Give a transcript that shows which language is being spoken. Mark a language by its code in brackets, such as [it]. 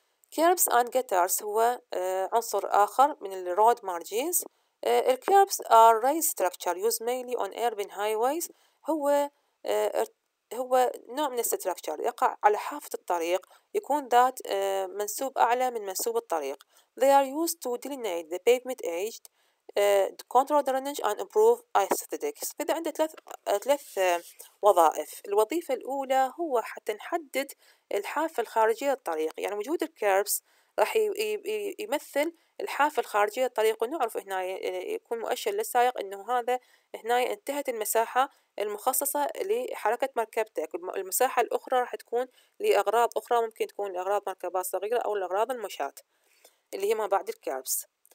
[ar] كيربس and gutters هو عنصر آخر من الرود مارجينز. الكيربس [en] are raised structure used mainly on urban highways، [ar] هو نوع من الستراكشر يقع على حافة الطريق، يكون ذات منسوب أعلى من منسوب الطريق. [en] They are used to delineate the pavement edge to control drainage and improve aesthetics. [ar] فإذا عنده ثلاث وظائف، الوظيفة الأولى هو حتى نحدد الحافة الخارجية للطريق، يعني وجود الكيربس راح يمثل الحافة الخارجية للطريق، ونعرف هنا يكون مؤشر للسائق انه هذا هنا انتهت المساحة المخصصة لحركة مركبتك، المساحة الأخرى راح تكون لأغراض أخرى، ممكن تكون لأغراض مركبات صغيرة أو لأغراض المشاة اللي هي ما بعد الكيربس.